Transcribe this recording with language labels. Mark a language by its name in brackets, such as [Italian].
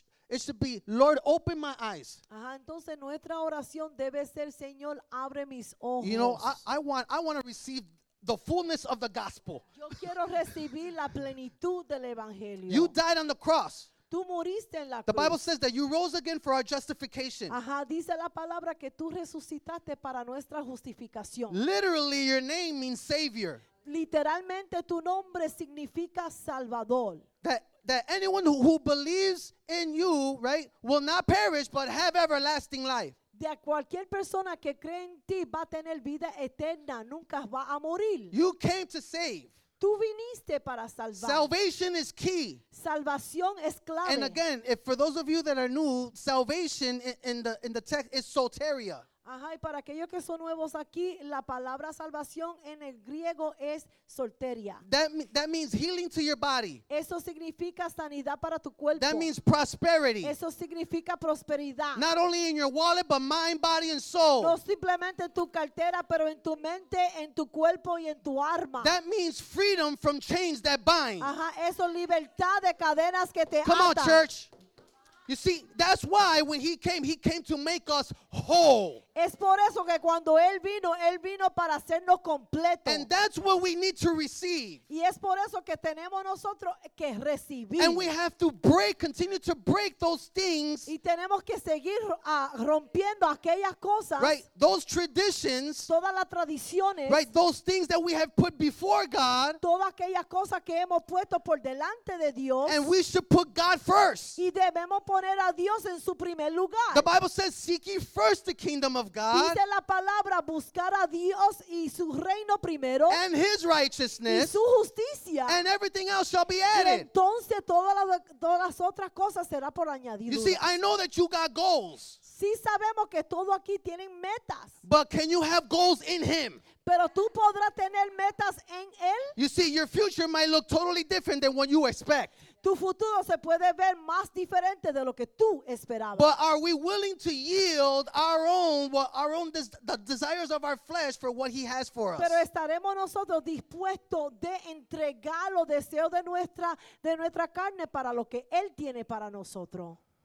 [English] It should be, Lord, open my eyes. [Spanish] Entonces nuestra oración debe ser, Señor, abre mis ojos. [English] You know, I want to receive the fullness of the gospel. [Spanish] Yo quiero recibir la plenitud del evangelio. [English] You died on the cross. [Spanish] Tú moriste en la cruz. [English] The Bible says that you rose again for our justification. [Spanish] Ajá, dice la palabra que tú resucitaste para nuestra justificación. [English] Literally, your name means Savior. [Spanish] Literalmente, tu nombre significa Salvador. [English] That anyone who believes in you, right, will not perish but have everlasting life. [Spanish] De cualquier persona que cree en ti va a tener vida eterna, nunca va a morir. [English] You came to save. [Spanish] Tú viniste para salvar. [English] Salvation is key. [Spanish] Salvación es clave. [English] And again, if for those of you that are new, salvation in the text is soteria. [Spanish] Ajá, y para aquellos que son nuevos aquí, la palabra salvación en el griego es soteria. [English] That means healing to your body. [Spanish] Eso significa sanidad para tu cuerpo. [English] That means prosperity. [Spanish] Eso significa prosperidad. [English] Not only in your wallet, but mind, body, and soul. [Spanish] No simplemente en tu cartera, pero en tu mente, en tu cuerpo y en tu arma. [English] That means freedom from chains that bind. [Spanish] Ajá, eso libertad de cadenas que te atan. [English] Come on, church. You see, that's why when he came to make us whole. [Spanish] Es por eso que cuando Él vino para hacernos completos. [English] And that's what we need to receive. [Spanish] Y es por eso que tenemos nosotros que recibir. [English] And we have to break, continue to break those things. [Spanish] Y tenemos que seguir rompiendo aquellas cosas. [English] Right, those traditions. [Spanish] Todas las tradiciones. [English] Right, those things that we have put before God. [Spanish] Todas aquellas cosas que hemos puesto por delante de Dios. [English] And we should put God first. [Spanish] Y debemos poner a Dios en su primer lugar. [English] The Bible says, seek ye first the kingdom of God, [Spanish] dice la palabra, buscar a Dios y su reino primero, [English] and his righteousness, [Spanish] y su justicia, [English] and everything else shall be added. [Spanish] Entonces, todas las otras cosas será por añadidura. [English] You see, I know that you got goals. [Spanish] Sí sabemos que todo aquí tienen metas. [English] But can you have goals in him? [Spanish] Pero tú podrás tener metas en él. [English] You see, your future might look totally different than what you expect. [Spanish] Tu futuro se puede ver más diferente de lo que tú esperabas. [English] But are we willing to yield the desires of our flesh for what he has for us? [Spanish] Pero estaremos nosotros dispuestos de entregar los deseos de nuestra carne para lo que él tiene para nosotros.